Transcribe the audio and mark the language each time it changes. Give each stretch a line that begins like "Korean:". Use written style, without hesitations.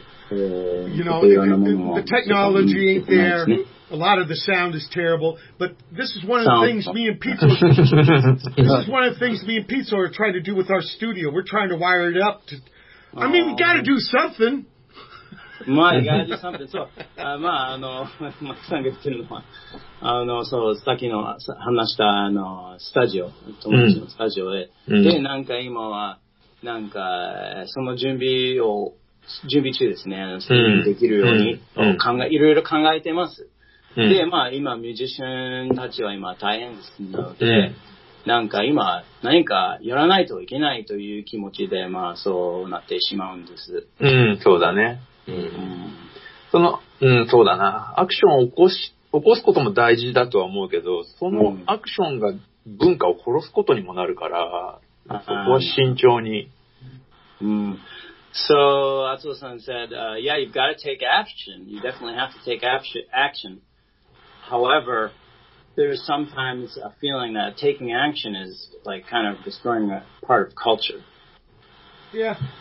English: You know, the technology ain't there. A lot of the sound is terrible. But this is one of the things me and Pizzo... this is one of the things me and Pizzo are trying to do with our studio. We're trying to wire it up to... I mean, we got to do something.
Japanese: まあ、意外とサンプル。そう。まあ、マキさんが言ってるのは、そう、さっきの話した、スタジオ、友達のスタジオで、で、なんか今は、なんか、その準備中ですね、できるように、いろいろ考えてます。で、まあ、今、ミュージシャンたちは今、大変ですので、なんか今、何かやらないといけないという気持ちで、まあ、そうなってしまうんです。そうだね。そうだな。アクションを起こすことも大事だとは思うけど、そのアクションが文化を殺すことにもなるから、そこは慎重に。
English: So, Atsuo-san said, yeah, you've got to take action. You definitely have to take action. However, there's sometimes a feeling that taking action is like kind of destroying a part of culture. Yeah.